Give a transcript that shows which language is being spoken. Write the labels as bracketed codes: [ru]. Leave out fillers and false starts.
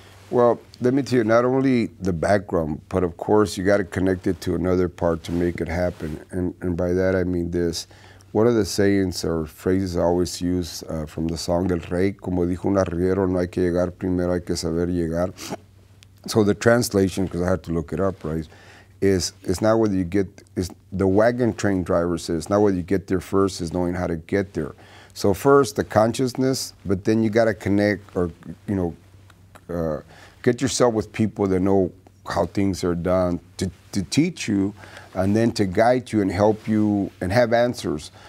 [en] Well, let me tell you, not only the background, but of course, you got to connect it to another part to make it happen. And by that, I mean this. One of the sayings or phrases I always use from the song [es] El Rey, como dijo un arriero, no hay que llegar primero, hay que saber llegar. [en] So the translation, because I had to look it up, right, is it's not whether you get, it's the wagon train driver says, it's not whether you get there first, it's knowing how to get there. So first, the consciousness, but then you got to connect or, you know, get yourself with people that know how things are done to teach you and then to guide you and help you and have answers.